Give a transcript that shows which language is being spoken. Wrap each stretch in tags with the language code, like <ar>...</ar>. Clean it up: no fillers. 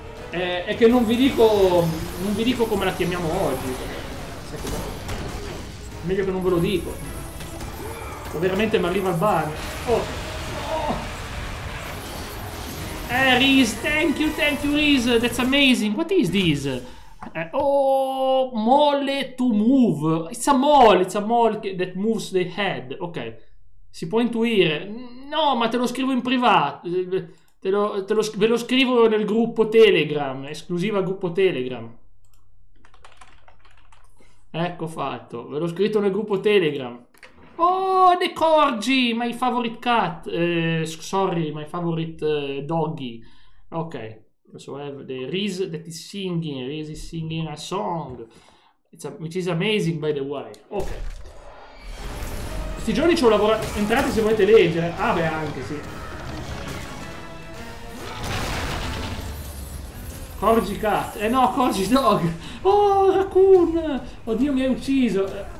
<it>È che non vi dico come la chiamiamo oggi, meglio che non ve lo dico, veramente mi arriva il ban. Oh.</it> <en>Riz, thank you Riz, that's amazing, what is this? Mole to move, it's a mole that moves the head,</en> <it>ok, si può intuire, no, ma te lo scrivo in privato, ve lo scrivo nel gruppo Telegram, esclusiva gruppo Telegram, ecco fatto, ve l'ho scritto nel gruppo Telegram.</it> <en>Oh, the corgi, my favorite cat, my favorite doggy, ok, so I have the Riz that is singing, Riz is singing a song, which is amazing by the way, ok.</en> <it>Questi giorni ci ho lavorato, entrate se volete leggere, sì.</it> <en>Corgi cat, no, corgi dog, oh, raccoon,</en> <it>oddio mi hai ucciso.</it>